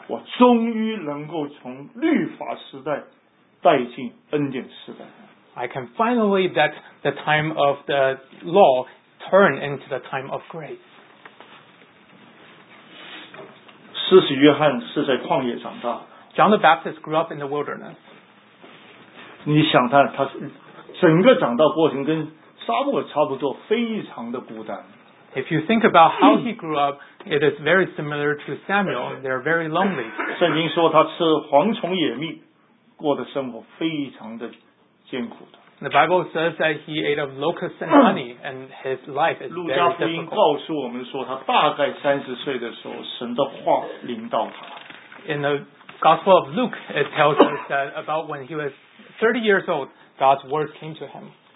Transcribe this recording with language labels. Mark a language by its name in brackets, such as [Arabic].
[Chinese] 我终于能够从律法时代带进恩典时代。 [English] I can finally let the time of the law turn into the time of grace. [Chinese] 施洗约翰是在旷野长大。 [English] John the Baptist grew up in the wilderness. [Chinese] 你想他，他整个长大过程跟撒母耳差不多，非常的孤单。 [English] If you think about how he grew up, it is very similar to Samuel. They're very lonely. [Chinese] 圣经说他吃蝗虫野蜜，过的生活非常的。 [English] The Bible says that he ate of locusts and honey, and his life is very difficult. [Chinese] 路加福音告诉我们说，他大概三十岁的时候，神的话临到他。 [English] In the Gospel of Luke, it tells us that about when he was 30 years old, God's word came to him.